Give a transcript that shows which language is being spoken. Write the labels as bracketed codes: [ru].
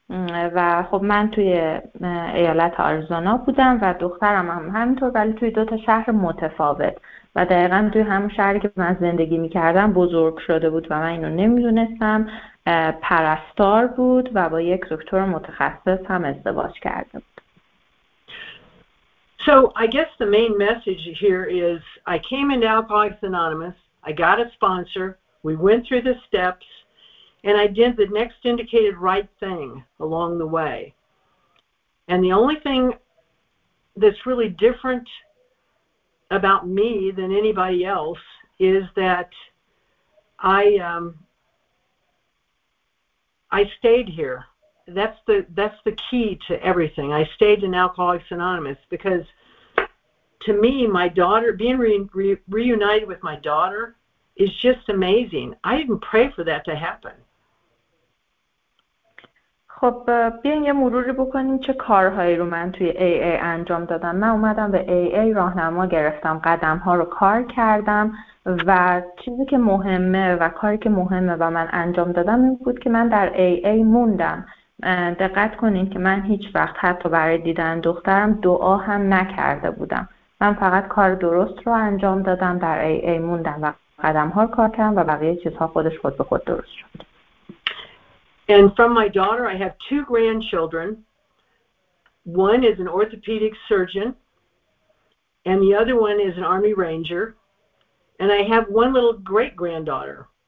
[fa] و خب من توی ایالت آریزونا بودم و دخترم هم همینطور، ولی توی دو تا شهر متفاوت و دقیقا توی همون شهری که من زندگی میکردم بزرگ شده بود و من اینو نمیدونستم. پرستار بود و با یک دکتر متخصص هم ازدواج کرده بود. [en] So I guess the main message here is I came into Alcoholics Anonymous, I got a sponsor, we went through the steps, and I did the next indicated right thing along the way. And the only thing that's really different about me than anybody else is that I stayed here. That's the key to everything. I stayed in Alcoholics Anonymous because to me, my daughter being reunited with my daughter is just amazing. I didn't pray for that to happen. [fa] خب بیاین یه مروری بکنیم چه کارهایی رو من توی AA انجام دادم. من اومدم به AA، راهنما گرفتم، قدمها رو کار کردم و چیزی که مهمه و کاری که مهمه و من انجام دادم این بود که من در AA موندم. دقت کنین که من هیچ وقت حتی برای دیدن دخترم دعا هم نکرده بودم. من فقط کار درست رو انجام دادم، در AA موندم و قدمها رو کار کردم و بقیه چیزها خودش خود به خود درست شد. [en] And from my daughter, I have two grandchildren. One is an orthopedic surgeon, and the other one is an Army Ranger. And I have one little great-granddaughter.